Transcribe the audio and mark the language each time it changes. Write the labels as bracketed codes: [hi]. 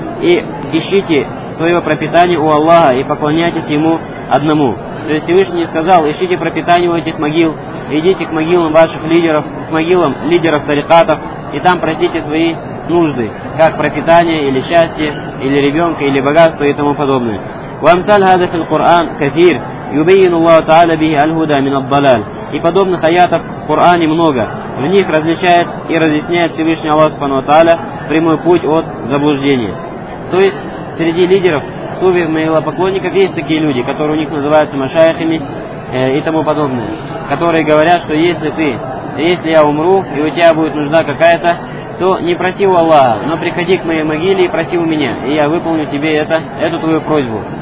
[ru] И ищите свое пропитание у Аллаха и поклоняйтесь Ему одному. То есть Всевышний сказал, ищите пропитание у этих могил, идите к могилам ваших лидеров, к могилам лидеров тарикатов, и там просите свои нужды, как пропитание, или счастье, или ребенка, или богатство и тому подобное. [ar] وامثال هذا في القرآن كثير يبين الله تعالى به الهدى من الضلال. [ru] И подобных аятов в Коране много. В них различает и разъясняет Всевышний Аллах Субхану Тааля прямой путь от заблуждения. То есть среди лидеров, суфиев, моилопоклонников есть такие люди, которые у них называются машаихами и тому подобное, которые говорят, что если я умру и у тебя будет нужда какая-то, то не проси у Аллаха, но приходи к моей могиле и проси у меня, и я выполню тебе эту твою просьбу.